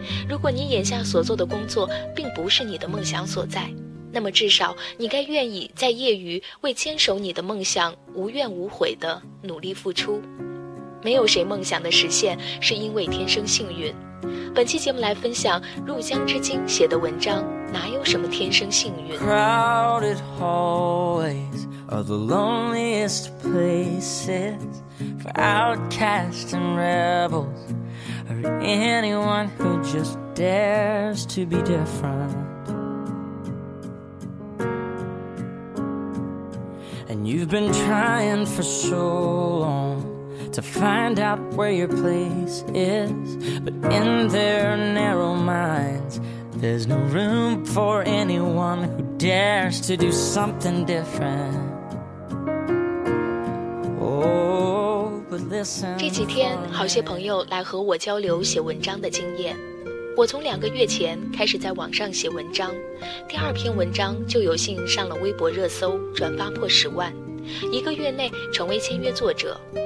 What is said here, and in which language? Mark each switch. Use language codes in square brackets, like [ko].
[zh] 如果你眼下所做的工作并不是你的梦想所在，那么至少你该愿意在业余为坚守你的梦想无怨无悔地努力付出。没有谁梦想的实现是因为天生幸运。本期节目来分享入江之鲸写的文章，哪有什么天生幸运。 [en] Crowded hallways are the loneliest places for outcasts and rebels or anyone who just dares to be different. And you've been trying for so longTo find out where your place is, but in their narrow minds, there's no room for anyone who dares to do something different. Oh, but listen. [zh] 这几天，好些朋友来和我交流写文章的经验。我从两个月前开始在网上写文章，第二篇文章就有幸上了微博热搜，转发破十万，一个月内成为签约作者。